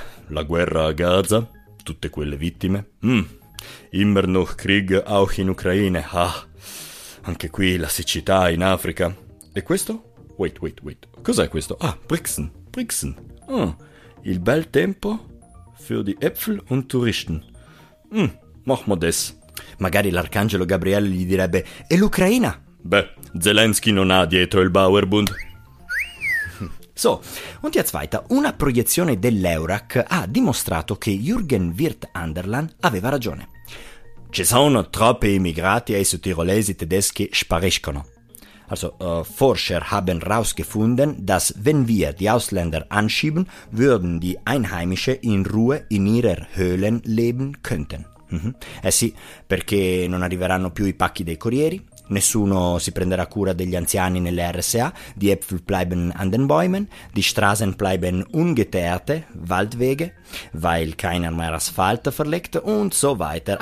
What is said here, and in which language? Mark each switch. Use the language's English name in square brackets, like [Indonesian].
[Italian] La guerra a Gaza, tutte quelle vittime. [German] Immer noch Krieg auch in Ukraine. [Italian] Ah, anche qui la siccità in Africa. E questo? [English] Wait. [Italian] Cos'è questo? Ah, Brixen. Oh, il bel tempo [German] für die Äpfel und Touristen. Mach mal das. [Italian] Magari l'arcangelo Gabriele gli direbbe, e l'Ucraina? Beh, Zelensky non ha dietro il Bauerbund. [German] So, und jetzt weiter. [Italian] Una proiezione dell'Eurac ha dimostrato che Jürgen Wirth Anderlan aveva ragione. Ci sono troppi immigrati e i sudtirolesi tedeschi spariscono. [German] Also, Forscher haben rausgefunden, dass wenn wir die Ausländer anschieben, würden die Einheimische in Ruhe in ihrer Höhlen leben könnten. [Italian] Eh sì, perché non arriveranno più i pacchi dei corrieri. Nessuno si prenderà cura degli anziani nelle RSA, [German] die Äpfel bleiben an den Bäumen, die Straßen bleiben ungeteerte, Waldwege, weil keiner mehr Asphalt verlegt und so weiter.